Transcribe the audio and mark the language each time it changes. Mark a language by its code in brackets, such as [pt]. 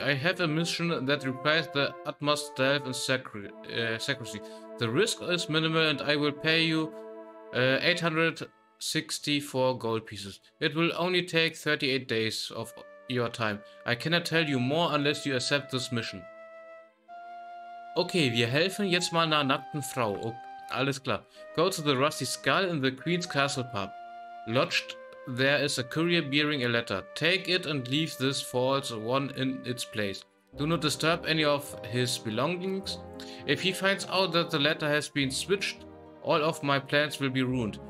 [en] I have a mission that requires the utmost stealth and secrecy. The risk is minimal and I will pay you 864 gold pieces. It will only take 38 days of your time. I cannot tell you more unless you accept this mission. [de] Okay, wir helfen jetzt mal einer nackten Frau. Okay, alles klar. [en] Go to the Rusty Skull in the Queen's Castle Pub. Lodged there is a courier bearing a letter. Take it and leave this false one in its place. Do not disturb any of his belongings. If he finds out that the letter has been switched, all of my plans will be ruined.